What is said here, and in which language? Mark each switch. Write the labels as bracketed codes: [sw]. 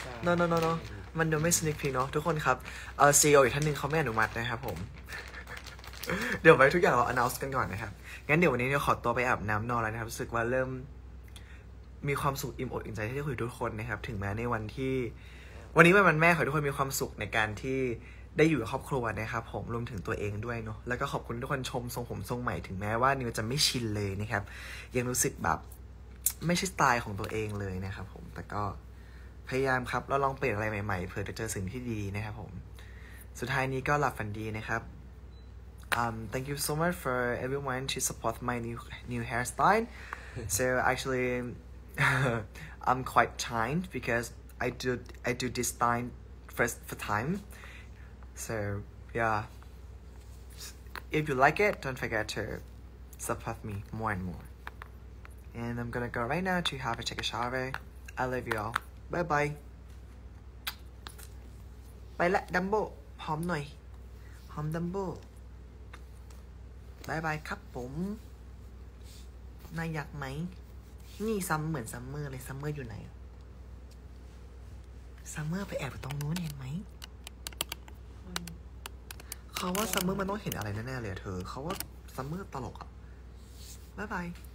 [th] าะเนาะมันเดี๋ยวไม่สนิทพิกเนาะทุกคนครับCEO อีกท่านนึงเขาไม่อนุมัตินะครับผมเดี๋ยวไว้ทุกอย่างเราอนาวส์กันก่อนนะครับงั้นเดี๋ยววันนี้เราขอตัวไปอาบน้ำนอนแล้วนะครับรู้สึกว่าเริ่มมีความสุขอิ่มอกอิ่มใจที่ได้คุยทุกคนนะครับถึงแม้ในวันที่วันนี้วันแม่ขอทุกคนมีความสุขในการที่ได้อยู่กับครอบครัวนะครับผมรวมถึงตัวเองด้วยเนาะแล้วก็ขอบคุณทุกคนชมทรงผมทรงใหม่ถึงแม้ว่านิวจะไม่ชินเลยนะครับยังรู้สึกแบบไม่ใช่สไตล์ของตัวเองเลยนะครับผมแต่ก็ พยายามครับแล้วลองเปลี่ยนอะไรใหม่ๆเผื่อจะเจอสิ่งที่ดีนะครับผมสุดท้ายนี้ก็หลับฝันดีนะครับ [en] Thank you so much for everyone to support my new hairstyle. So actually, I'm quite tired because I do this style first time. So yeah, if you like it, don't forget to support me more and more. And I'm gonna go right now to take a shower. I love you all. Bye bye. [th] ไปละ Dumbo หอมหน่อยหอม Dumbo. บายบายครับผมนายอยากไหมนี่ซัมเหมือนซัมเมอร์เลยซัมเมอร์อยู่ไหนซัมเมอร์ไปแอบตรงนู้นเห็นไหมเขาว่าซัมเมอร์มันต้องเห็นอะไรแน่ๆเลยเธอเขาว่าซัมเมอร์ตลกอ่ะบายบาย